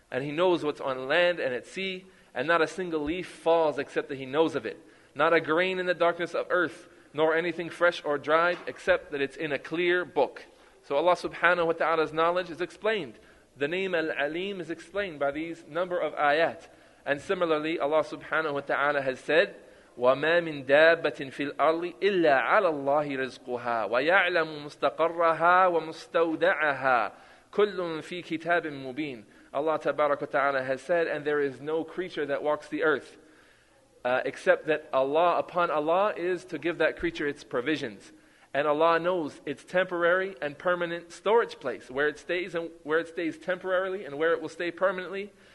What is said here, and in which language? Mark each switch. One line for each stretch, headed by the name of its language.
English: And He knows what's on land and at sea, and not a single leaf falls except that He knows of it. Not a grain in the darkness of earth, nor anything fresh or dried, except that it's in a clear book. So Allah subhanahu wa ta'ala's knowledge is explained. The name Al-Aleem is explained by these number of ayat. And similarly, Allah subhanahu wa ta'ala has said,
Arabic: وَمَا مِن دَابَّةٍ فِي الْأَرْضِ إِلَّا عَلَى اللَّهِ رِزْقُهَا وَيَعْلَمُ مُسْتَقَرَّهَا وَمُسْتَوْدَعَهَا كُلٌّ فِي كِتَابٍ مُبِينٍ.
English: Allah tabarak wa ta'ala has said, and there is no creature that walks the earth except that Allah, upon Allah is to give that creature its provisions. And Allah knows its temporary and permanent storage place, where it stays and where it stays temporarily and where it will stay permanently.